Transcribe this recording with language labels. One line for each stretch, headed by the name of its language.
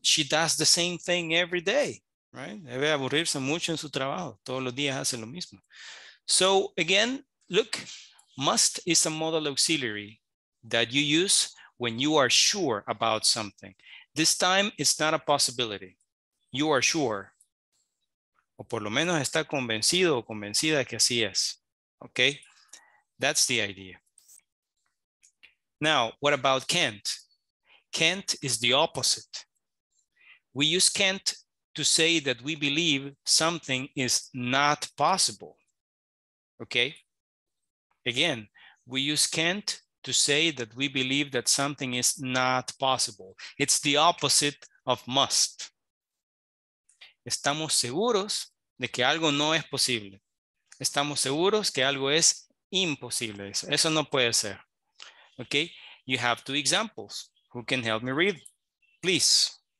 English: She does the same thing every day, right?
Spanish: Debe aburrirse mucho en su trabajo. Todos los días hace lo mismo.
English: So again, look, must is a modal auxiliary that you use when you are sure about something. This time, it's not a possibility. You are sure.
Spanish: O por lo menos está convencido o convencida que así es.
English: Okay? That's the idea. Now, what about can't? Can't is the opposite. We use can't to say that we believe something is not possible. okay? Again, we use can't to say that we believe that something is not possible. It's the opposite of must.
Spanish: Estamos seguros de que algo no es posible. Estamos seguros que algo es imposible. Eso no puede ser.
English: Okay, you have two examples. Who can help me read? Please.